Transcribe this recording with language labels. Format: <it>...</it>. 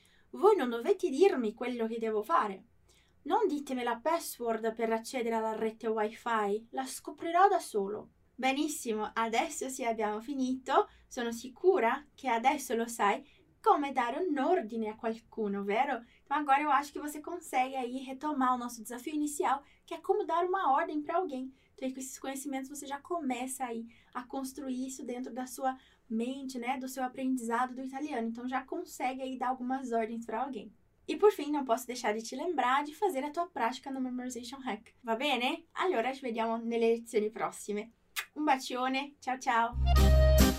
<it>Voi non dovete dirmi quello che devo fare. Non ditemi la password per accedere alla rete wifi, la scoprirò da solo. Benissimo, adesso sì, abbiamo finito. Sono sicura che adesso lo sai come dare un ordine a qualcuno, vero?</it> <pt>Agora eu acho que você consegue aí retomar o nosso desafio inicial, que é como dar uma ordem para alguém. Então, aí, com esses conhecimentos, você já começa aí a construir isso dentro da sua mente, né? Do seu aprendizado do italiano. Então, já consegue aí dar algumas ordens para alguém. E por fim, não posso deixar de te lembrar de fazer a tua prática no Memorization Hack.</pt> <it>Va bene? Allora, ci vediamo nelle lezioni prossime. Un bacione! Ciao, ciao!</it>